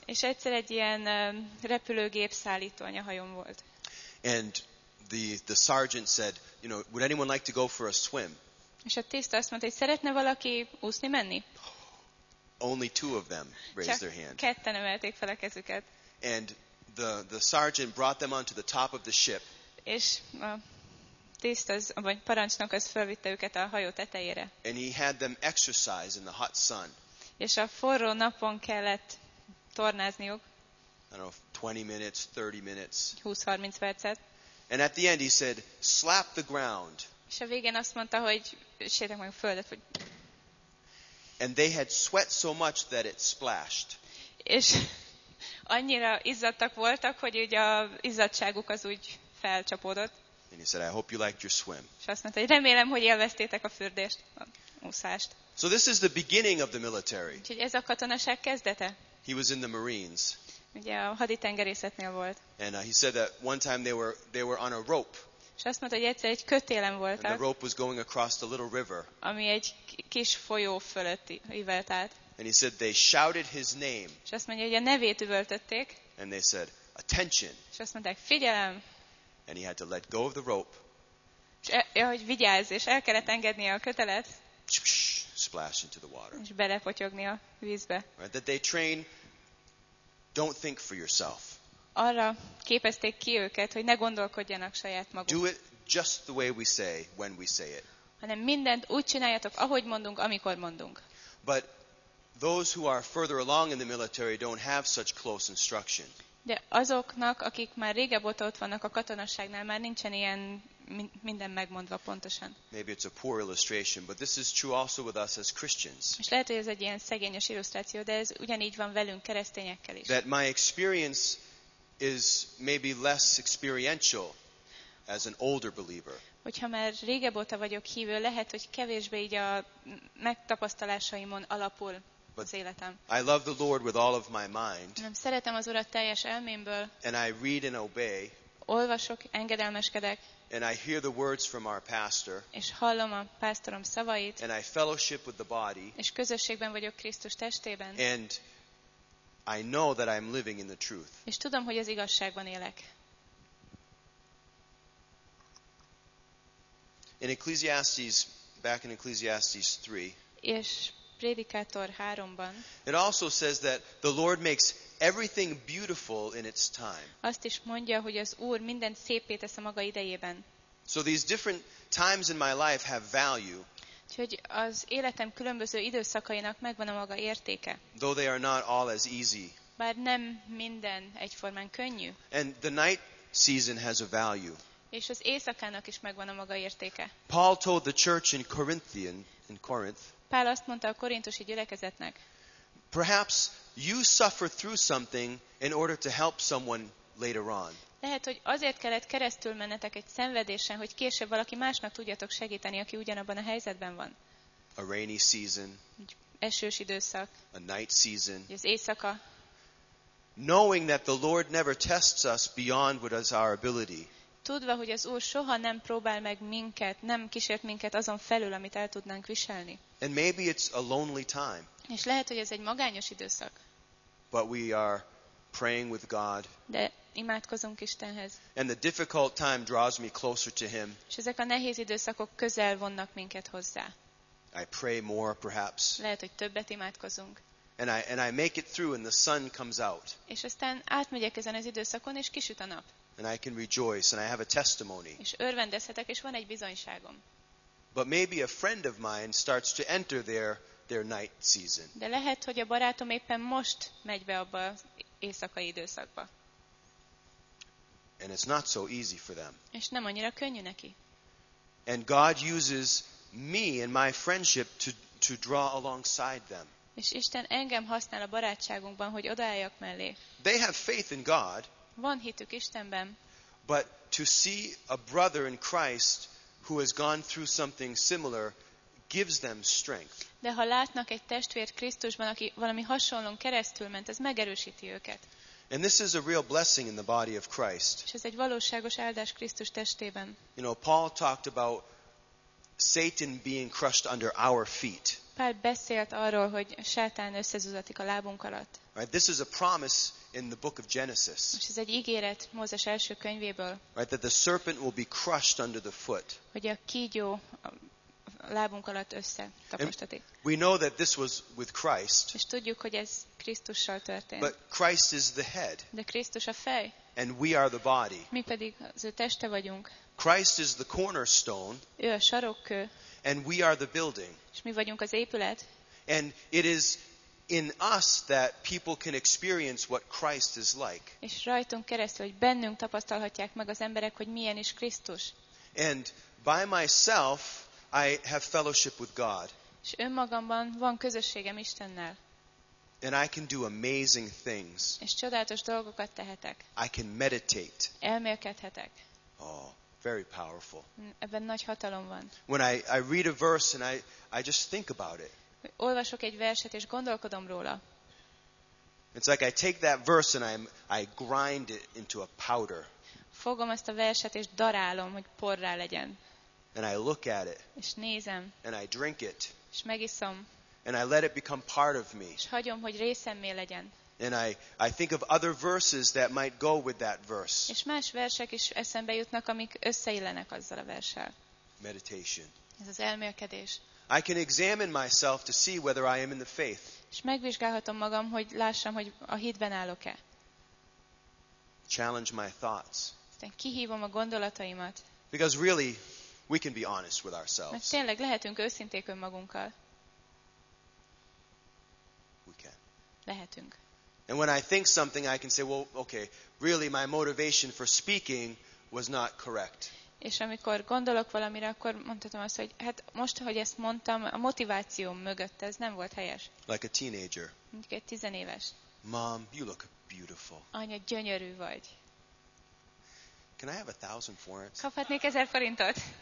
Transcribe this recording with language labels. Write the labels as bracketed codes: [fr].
[hu] És egyszer egy ilyen repülőgép szállító anyahajón volt. [en] And the sergeant said, you know, would anyone like to go for a swim? [hu] És a tiszt azt mondta, hogy szeretne valaki úszni menni? [en] Only two of them raised their hand. [hu] Ketten emelték fel a kezüket. [en] And the sergeant brought them onto the top of the ship. [hu] És a tiszt az, vagy parancsnok az felvitte őket a hajó tetejére. [en] And he had them exercise in the hot sun. [hu] És a forró napon kellett tornázniuk. [en] I don't know, 20 minutes, 30 minutes. [hu] 20-30 percet. [en] And at the end he said, slap the ground. [hu] És a végén azt mondta, hogy sétek meg a földet, hogy... [en] And they had sweat so much that it splashed. [hu] És annyira izzadtak voltak, hogy ugye az izzadságuk az úgy felcsapódott. [en] And he said, I hope you liked your swim. [hu] És azt mondta, hogy remélem, hogy élveztétek a fürdést, a úszást. [en] So this is the beginning of the military. [hu] Úgyhogy ez a katonaság kezdete. [en] He was in the Marines. [hu] Ugye a haditengerészetnél volt. [en] And he said that one time they were on a rope. [hu] És azt mondta, hogy egyszer egy kötélen voltak. [en] And the rope was going across the little river. [hu] Ami egy kis folyó fölött ívelt át. [en] And he said they shouted his name. [hu] És azt mondja, hogy a nevét üvöltötték. [en] And they said, attention. [hu] És azt mondták, figyelem. [en] And he had to let go of the rope. [hu] És hogy vigyázz, és el kellett engednie a kötelet. [en] Splash into the water. [hu] És belepotyogni a vízbe. [en] Right, that they train, don't think for yourself. [hu] Arra képezték ki őket, hogy ne gondolkodjanak saját maguk. [en] Do it just the way we say, when we say it. [hu] Hanem mindent úgy csináljatok, ahogy mondunk, amikor mondunk. [en] But those who are further along in the military don't have such close instruction. [hu] De azoknak, akik már régebb óta ott vannak a katonasságnál, már nincsen ilyen minden megmondva pontosan. [en] Maybe it's a poor illustration, but this is true also with us as Christians. [hu] És lehet, hogy ez egy ilyen szegényes illusztráció, de ez ugyanígy van velünk keresztényekkel is. [en] That my experience is maybe less experiential as an older believer. [hu] Hogyha már régebb óta vagyok hívő, lehet, hogy kevésbé így a megtapasztalásaimon alapul [en] but [hu] az életem. [en] I love the Lord with all of my mind. [hu] Nem szeretem az Urat teljes elmémből. [en] And I read and obey. [hu] Olvasok, engedelmeskedek. [en] And I hear the words from our pastor. [hu] És hallom a pásztorom szavait. [en] And I fellowship with the body. [hu] És közösségben vagyok Krisztus testében. [en] And I know that I'm living in the truth. [hu] És tudom, hogy az igazságban élek. [en] In Ecclesiastes, back in Ecclesiastes 3. [hu] És Prédikátor 3-ban. [en] It also says that the Lord makes everything beautiful in its time. [hu] Azt is mondja, hogy az Úr mindent szépé tesz a maga idejében. [en] So these different times in my life have value. [hu] Úgyhogy az életem különböző időszakainak megvan a maga értéke. [en] Though they are not all as easy. [hu] Bár nem minden egyformán könnyű. [en] And the night season has a value. [hu] És az éjszakának is megvan a maga értéke. [en] Paul told the church in Corinth. [hu] Pál azt mondta a korintusi gyülekezetnek. [en] Perhaps you suffer through something in order to help someone later on. [hu] Lehet, hogy azért kellett keresztül mennetek egy szenvedésen, hogy később valaki másnak tudjatok segíteni, aki ugyanabban a helyzetben van. [en] A rainy season. [hu] Egy esős időszak. [en] A night season. [hu] Az éjszaka. [en] Knowing that the Lord never tests us beyond what is our ability. [hu] Tudva, hogy az Úr soha nem próbál meg minket, nem kísért minket azon felül, amit el tudnánk viselni. [en] And maybe it's a lonely time. [hu] És lehet, hogy ez egy magányos időszak. [en] But we are praying with God. [hu] De imádkozunk Istenhez. [en] And the difficult time draws me closer to Him. [hu] És ezek a nehéz időszakok közel vonnak minket hozzá. [en] I pray more, perhaps. [hu] Lehet, hogy többet imádkozunk. [en] And I make it through, and the sun comes out. [hu] És aztán átmegyek ezen az időszakon, és kisüt a nap. [en] And I can rejoice, and I have a testimony. [hu] És örvendezhetek, és van egy bizonyságom. [en] But maybe a friend of mine starts to enter their night season. [hu] De lehet, hogy a barátom éppen most megy be abba az éjszakai időszakba. [en] And it's not so easy for them. [hu] És nem annyira könnyű neki. [en] And God uses me and my friendship to draw alongside them. [hu] És Isten engem használ a barátságunkban, hogy odaálljak mellé. [en] They have faith in God. [hu] Van hitük Istenben. [en] But to see a brother in Christ who has gone through something similar gives them strength. [hu] De ha látnak egy testvért Krisztusban, aki valami hasonlón keresztül ment, ez megerősíti őket. [en] And this is a real blessing in the body of Christ. [hu] És ez egy valóságos áldás Krisztus testében. [en] You know, Paul talked about Satan being crushed under our feet. [hu] Pál beszélt arról, hogy Sátán összezúzatik a lábunk alatt. [en] Right, this is a promise in the book of Genesis. [hu] És ez egy ígéret Mózes első könyvéből. [en] Right, that the serpent will be crushed under the foot. [hu] Hogy a kígyó a lábunk alatt összetapostatik. [en] And we know that this was with Christ. [hu] És tudjuk, hogy ez Krisztussal történt. [en] But Christ is the head. [hu] De Krisztus a fej. [en] And we are the body. [hu] Mi pedig az ő teste vagyunk. [en] Christ is the cornerstone. [hu] Ő a sarokkő. [en] And we are the building. [hu] És mi vagyunk az épület. [en] And it is in us that people can experience what Christ is like. [hu] És rajtunk keresztül, hogy bennünk tapasztalhatják meg az emberek, hogy milyen is Krisztus. [en] And by myself, I have fellowship with God. [hu] És önmagamban van közösségem Istennel. [en] And I can do amazing things. [hu] És csodálatos dolgokat tehetek. [en] I can meditate. [hu] Elmélkedhetek. [en] Oh. Very powerful. [hu] Ebben nagy hatalom van. [en] When I read a verse and I just think about it. [hu] Olvasok egy verset és gondolkodom róla. [en] It's like I take that verse and I grind it into a powder. [hu] Fogom ezt a verset és darálom, hogy porrá legyen. [en] And I look at it. [hu] És nézem. [en] And I drink it. [hu] És megiszom. [en] And I let it become part of me. [hu] És hagyom, hogy részemmé legyen. [en] And I think of other verses that might go with that verse. [hu] És más versek is eszembe jutnak, amik összeillenek azzal a verssel. [en] Meditation. [hu] Ez az elmélkedés. [en] I can examine myself to see whether I am in the faith. [hu] És megvizsgálhatom magam, hogy lássam, hogy a hitben állok-e. [en] Challenge my thoughts. [hu] Aztán kihívom a gondolataimat. [en] Because really, we can be honest with ourselves. [hu] Mert tényleg lehetünk őszinték önmagunkkal. [en] We can. [hu] Lehetünk. [en] And when I think something, I can say, well, okay, really my motivation for speaking was not correct. [hu] És amikor gondolok valamire, akkor mondhatom azt, hogy hát most, hogy ezt mondtam, a motivációm mögött ez nem volt helyes. [en] Like a teenager. [hu] Mint egy tizenéves. [en] Mom, you look beautiful. [hu] Anya, gyönyörű vagy. [en] Can I have 1,000 forints? [hu] Kaphatnék 1,000 forintot?